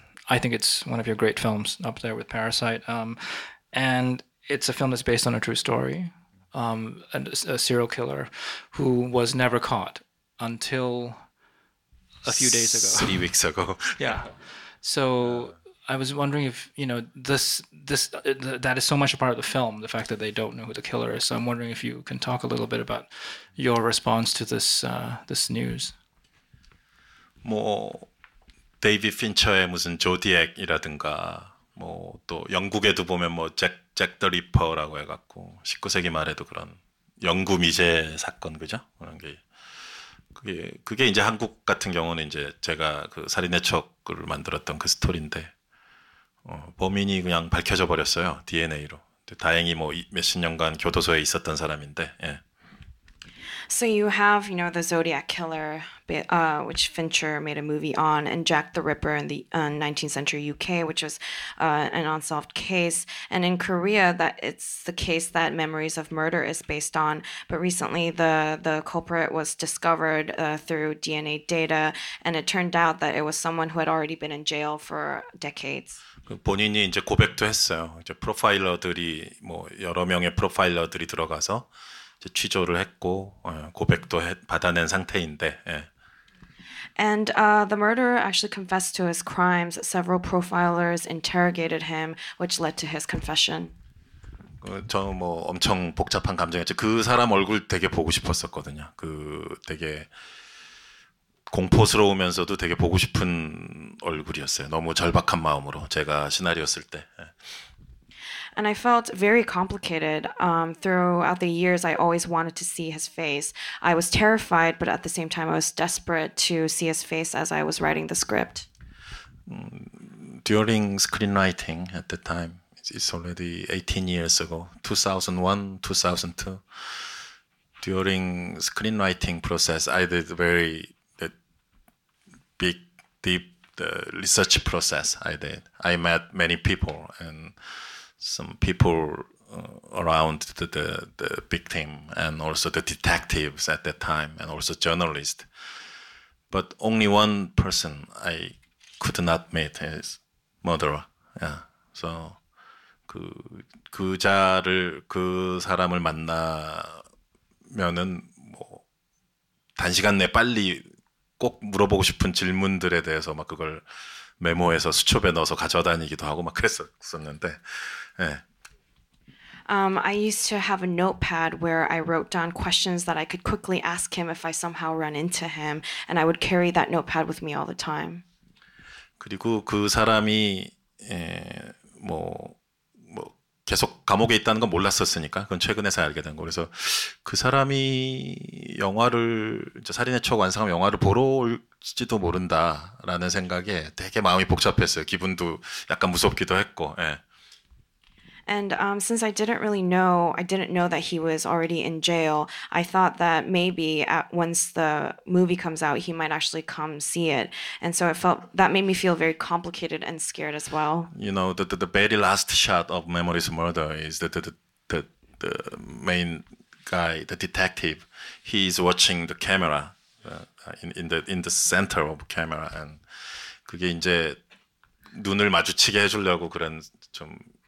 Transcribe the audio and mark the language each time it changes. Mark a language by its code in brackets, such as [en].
[en] I think it's one of your great films up there with Parasite. And it's a film that's based on a true story, a serial killer who was never caught until a few days ago. 3 weeks ago. Yeah. So... I was wondering if, you know, that is so much a part of the film, the fact that they don't know who the killer is. So I'm wondering if you can talk a little bit about your response to this news. [ko] 뭐 데이비드 핀처의 무슨 조디액이라든가 뭐 또 영국에도 보면 뭐 잭 더 리퍼라고 해 갖고 19세기 말에도 그런 영구 미제 사건 그죠? 그런 게 그게 이제 한국 같은 경우는 이제 제가 그 살인의 척을 만들었던 그 스토리인데 범인이 그냥 밝혀져 버렸어요. DNA로. 다행히 뭐 몇십 년간 교도소에 있었던 사람인데. 예. [en] So you have, you know, the Zodiac Killer, which Fincher made a movie on, and Jack the Ripper in the 19th century UK, which was an unsolved case. And in Korea, that it's the case that Memories of Murder is based on. But recently, the culprit was discovered through DNA data, and it turned out that it was someone who had already been in jail for decades. [ko] 본인이 이제 고백도 했어요. 이제 프로파일러들이 뭐 여러 명의 프로파일러들이 들어가서 이제 취조를 했고 고백도 받아낸 상태인데. 예. [en] And the murderer actually confessed to his crimes. Several profilers interrogated him, which led to his confession. [ko] 저 뭐 엄청 복잡한 감정이었죠. 그 사람 얼굴 되게 보고 싶었었거든요. 그 되게 공포스러우면서도 되게 보고 싶은 얼굴이었어요. 너무 절박한 마음으로 제가 시나리오 쓸 때. [en] And I felt very complicated. Throughout the years, I always wanted to see his face. I was terrified, but at the same time, I was desperate to see his face as I was writing the script. During screenwriting at the time, it's already 18 years ago, 2001, 2002. During screenwriting process, I did very big, deep research process I did. I met many people and some people around the victim and also the detectives at that time and also journalists. But only one person I could not meet is murderer. Yeah. [ko] So 그 사람을 만나면은 뭐 단시간 내 빨리 꼭 물어보고 싶은 질문들에 대해서 막 그걸 메모해서 수첩에 넣어서 가져다니기도 하고 막 그랬었는데. 예. [en] I used to have a notepad where I wrote down questions that I could quickly ask him if I somehow run into him, and I would carry that notepad with me all the time. [ko] 그리고 그 사람이 뭐 계속 감옥에 있다는 건 몰랐었으니까 그건 최근에서 알게 된 거. 그래서 그 사람이 영화를 이제 살인의 척 완성하면 영화를 보러 올지도 모른다라는 생각에 되게 마음이 복잡했어요. 기분도 약간 무섭기도 했고. 예. [en] And since I didn't know that he was already in jail, I thought that maybe once the movie comes out, he might actually come see it. And so that made me feel very complicated and scared as well. You know, the very last shot of Memories of Murder is the main guy, the detective, he's watching the camera in the center of the camera, and [ko] 그게 이제 눈을 마주치게 해주려고 그런 좀